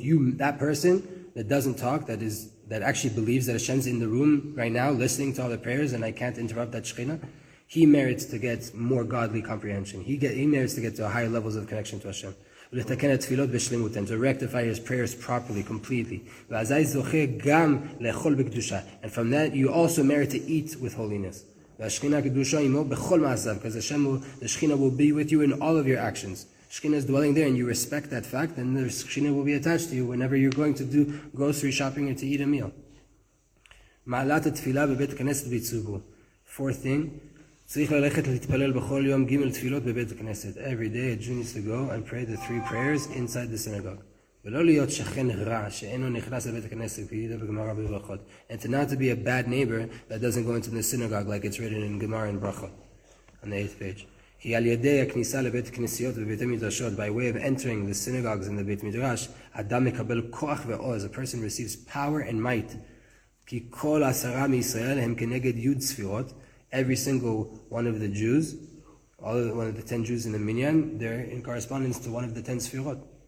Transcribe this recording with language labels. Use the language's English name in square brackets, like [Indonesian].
[English] You, that person that doesn't talk, that actually believes that Hashem's in the room right now, listening to all the prayers, and I can't interrupt that שכינה, he merits to get more godly comprehension. He merits to get to higher levels of connection to Hashem. [Hebrew] ולתקן התפילות בשלמות, [English] and to rectify his prayers properly, completely. [Hebrew] ואזי זוכה גם לאכול בקדושה. [English] And from that, you also merit to eat with holiness. [Hebrew] והשכינה הקדושה עמו בכל מעשיו, [English] because Hashem will, the שכינה will be with you in all of your actions. Shekhinah is dwelling there, and you respect that fact, then the Shekhinah will be attached to you whenever you're going to do grocery shopping or to eat a meal. [Hebrew] Ma'alat ha-tefilah bebet knesset b'yitzubu. [English] Fourth thing, [Hebrew] צריך ללכת להתפלל בכל יום ג' תפילות בבית הכנסת. [English] Every day a Jew needs to go and pray the three prayers inside the synagogue. [Hebrew] ולא להיות שכן רע שאינו נכנס לבית הכנסת כי ידע בגמרא בברכות. [English] And to not to be a bad neighbor that doesn't go into the synagogue like it's written in Gemara and Brachot. On the 8th page. [Hebrew] כי על ידי הכניסה לבית כנסיות ובית המדרשות, [English] by way of entering the synagogues and the בית מדרש, [Hebrew] אדם מקבל כוח ועוז, [English] a person receives power and might. [Hebrew] כי כל עשרה מישראל הם כנגד יוד ספירות, [English] every single one of the Jews, one of the 10 Jews in the minyan, they're in correspondence to one of the 10 ספירות.